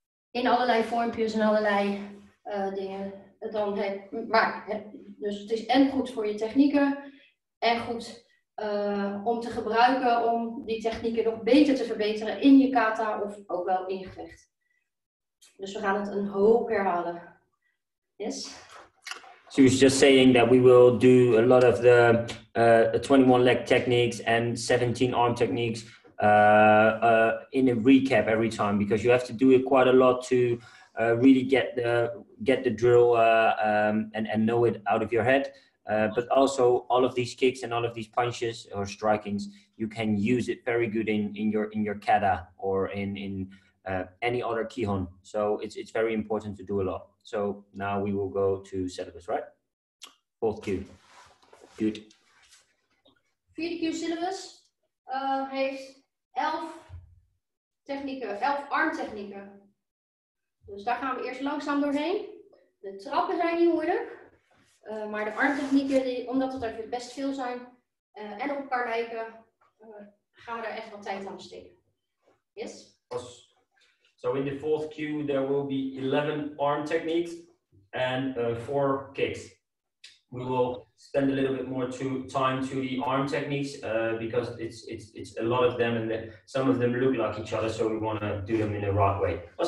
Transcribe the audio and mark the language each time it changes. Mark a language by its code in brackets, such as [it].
[nl] In allerlei vormpjes en allerlei dingen. Dan, maar, dus het is en goed voor je technieken. En goed om te gebruiken om die technieken nog beter te verbeteren in je kata of ook wel in je gevecht. Dus we gaan het een hoop herhalen. [en] Yes? So you're just saying that we will do a lot of the 21 leg techniques and 17 arm techniques in a recap every time, because you have to do it quite a lot to really get the drill and know it out of your head. But also all of these kicks and all of these punches or strikings, you can use it very good in your kata or in any other kihon. So it's very important to do a lot. So now we will go to syllabus, right? Fourth Q. Good. [nl] Vierde Q syllabus heeft 11 technieken, 11 armtechnieken. Dus daar gaan we eerst langzaam doorheen. De trappen zijn niet moeilijk. Maar de armtechnieken, omdat het er best veel zijn en op elkaar lijken, gaan we daar echt wat tijd aan besteden. [en] Yes? So in the fourth cue there will be 11 arm techniques and 4 kicks. We will spend a little bit more time to the arm techniques because it's a lot of them and some of them look like each other, so we want to do them in the right way.